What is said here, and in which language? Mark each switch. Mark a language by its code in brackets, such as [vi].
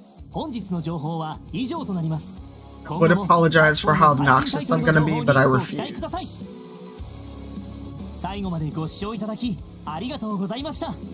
[ja] 本日の情報は以上となります。 [en] I would apologize for how obnoxious I'm gonna be, but I refuse. [ja] 最後までご視聴いただきありがとうございました。